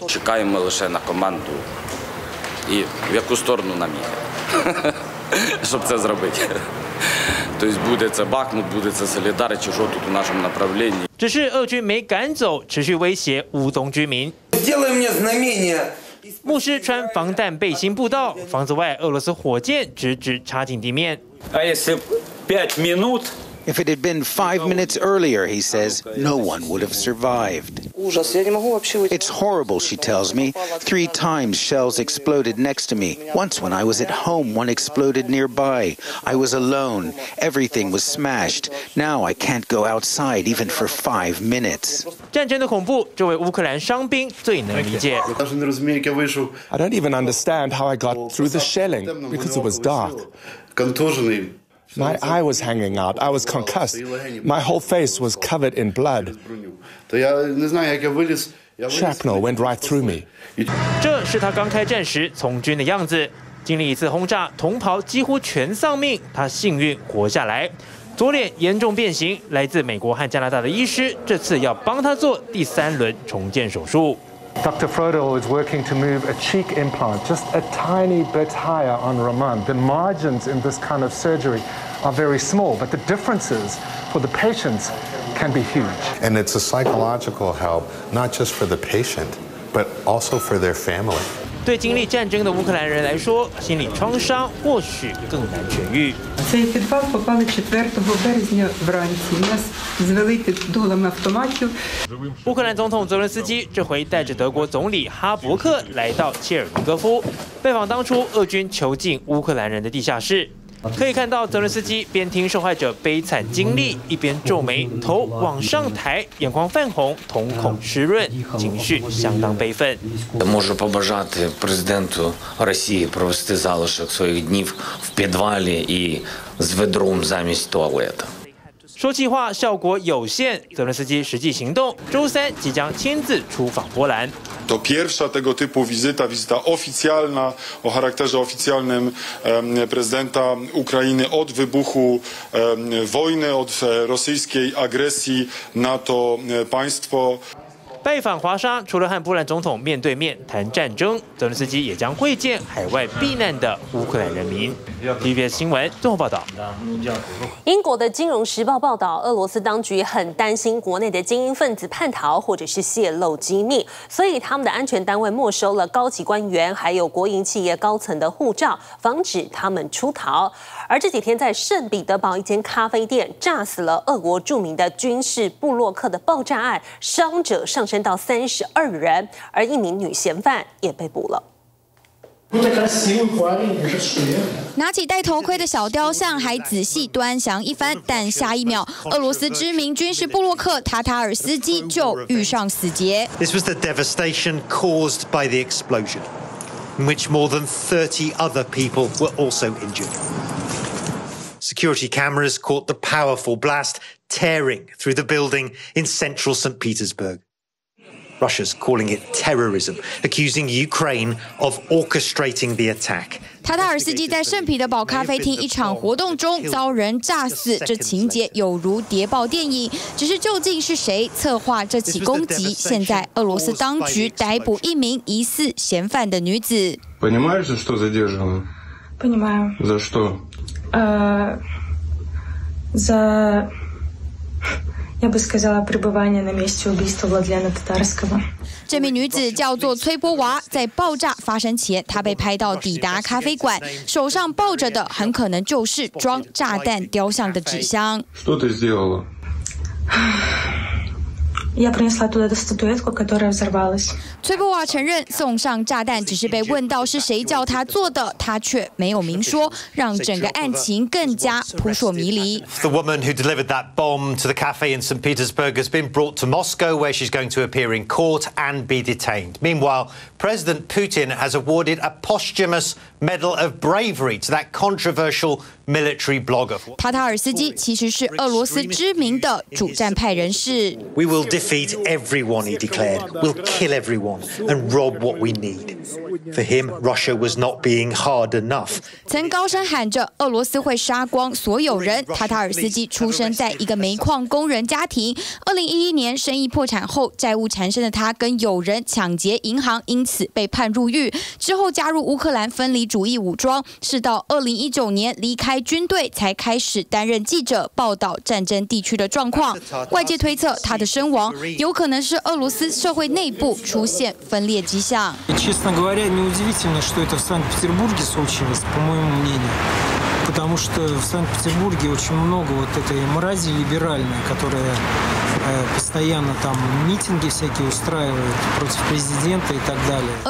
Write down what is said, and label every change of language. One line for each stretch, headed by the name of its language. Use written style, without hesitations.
Ukrainian: Чекаємо лише на команду і в яку сторону нам їхати, щоб це зробити.
Russian: То есть будет это Бахмут, будет это Солидар, чужо тут в нашем направлении.
Chinese: 只是俄军没赶走，持续威胁乌东居民。
Russian: Сделай мне знамение.
Chinese: 牧师穿防弹背心布道，房子外俄罗斯火箭直直插进地面。
Russian: А если пять минут?
English: If it had been five minutes earlier, he says, no one would have survived.
Russian: Ужас, я не могу вообще.
English: It's horrible, she tells me. Three times shells exploded next to me. Once when I was at home, one exploded nearby. I was alone. Everything was smashed. Now I can't go outside even for five minutes.
Chinese: 战争的恐怖，这位乌克兰伤兵最能理解。
English: I don't even understand how I got through the shelling because it was dark.
Ukrainian: Контужений.
English: My eye was hanging out. I was concussed. My whole face was covered in blood. Shrapnel went right through me.
Chinese: 这是他刚开战时从军的样子。经历一次轰炸，同袍几乎全丧命，他幸运活下来。左脸严重变形，来自美国和加拿大的医师这次要帮他做第三轮重建手术。
English: Dr. Frodo is working to move a cheek implant just a tiny bit higher on Roman. The margins in this kind of surgery are very small, but the differences for the patients can be huge. And it's a psychological help, not just for the patient, but also for their family.
Chinese: 对经历战争的乌克兰人来说，心理创伤或许更难痊愈。
Ukrainian: Цей підвал попали 4 березня вранці. Нас звели під дулами автоматів.
Chinese: 乌克兰总统泽伦斯基这回带着德国总理哈伯克来到切尔尼戈夫，拜访当初俄军囚禁乌克兰人的地下室。可以看到泽伦斯基边听受害者悲惨经历，一边皱眉，头往上抬，眼眶泛红，瞳孔湿润，情绪相当悲愤。
Ukrainian: Можу побажати президенту Росії провести залишок своїх днів в підвалі і з ведром замість туалету。
Chinese: 说气话效果有限，泽伦斯基实际行动，周三即将亲自出访波兰。
Polish: To pierwsza tego typu wizyta, wizyta oficjalna, o charakterze oficjalnym prezydenta Ukrainy od wybuchu wojny, od rosyjskiej agresji na to państwo.
Chinese: 拜访华沙，除了和波兰总统面对面谈战争，泽伦斯基也将会见海外避难的乌克兰人民。 TVBS 新闻综合报道。英国的《金融时报》报道，俄罗斯当局很担心国内的精英分子叛逃或者是泄露机密，所以他们的安全单位没收了高级官员还有国营企业高层的护照，防止他们出逃。而这几天在圣彼得堡一间咖啡店炸死了俄国著名的军事部落客的爆炸案，伤者上升升到32人，而一名女嫌犯也被捕了。拿起戴头盔的小雕像还仔细端详一番，但下一秒，俄罗斯知名军事部落客塔塔尔斯基就遇上死劫。
English: This was the devastation caused by the explosion, in which more than 30 other people were also injured. Security cameras caught the powerful blast tearing through the building in central St. Petersburg. Russia's calling it terrorism, accusing Ukraine of orchestrating the attack.
Chinese: 塔塔尔斯基在圣彼得堡咖啡厅一场活动中遭人炸死，这情节有如谍报电影。只是究竟是谁策划这起攻击？现在俄罗斯当局逮捕一名疑似嫌犯的女子。
Russian: Понимаешь, что задержана? Понимаю. За что? За... Я бы сказала, пребывание на месте убийства Владлена Татарского.
Chinese: 这名女子叫做崔波娃，在爆炸发生前，她被拍到抵达咖啡馆，手上抱着的很可能就是装炸弹雕像的纸箱。
Russian: Что ты сделала? Я принесла туда статуэтку, которая взорвалась.
Chinese: 崔波娃承认送上炸弹，只是被问到是谁叫她做的，她却没有明说，让整个案情更加扑朔迷离。
English: The woman who delivered that bomb to the cafe in St. Petersburg has been brought to Moscow, where she's going to appear in court and be detained. Meanwhile, President Putin has awarded a posthumous Medal of Bravery to that controversial military blogger.
Chinese: 塔塔尔斯基其实是俄罗斯知名的主战派人士。
English: We will defeat everyone, he declared. We'll kill everyone and rob what we need. For him, Russia was not being hard enough.
Chinese: 曾高声喊着俄罗斯会杀光所有人。塔塔尔斯基出生在一个煤矿工人家庭。 2011年生意破产后，债务缠身的他跟友人抢劫银行，因此被判入狱。之后加入乌克兰分离主义武装，是到2019年离开军队才开始担任记者，报道战争地区的状况。外界推测他的身亡有可能是俄罗斯社会内部出现分裂迹象。
Russian: Честно говоря, неудивительно, что это в Санкт-Петербурге случилось, по моему мнению, потому что в Санкт-Петербурге очень много вот этой мрази либеральной, которая постоянно там митинги всякие устраивают против президента и так далее.